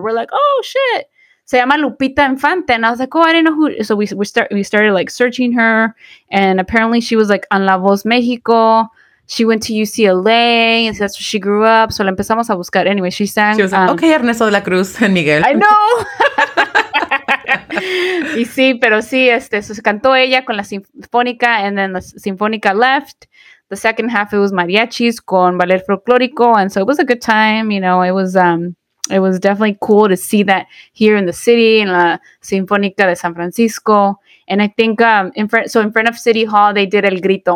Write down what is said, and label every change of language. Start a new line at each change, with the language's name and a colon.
English: We're like, oh shit.
Spanish: Se llama Lupita Infante.
English: And I was like, oh, I didn't know who. So we started like searching her. And apparently she was like on La Voz México. She went to UCLA. And so that's where she grew up. So
Spanish: la empezamos a buscar.
English: Anyway, she sang. She was like, okay, Ernesto de la Cruz and Miguel. I know.
Spanish: Y sí, pero sí, se cantó ella con la sinfónica.
English: And then the sinfónica left. The second half, it was mariachis con ballet folclórico. And so it was a good time. You know, it was definitely cool to see that here in the city, in La Sinfónica de San Francisco. And I think in front of City Hall, they did El Grito.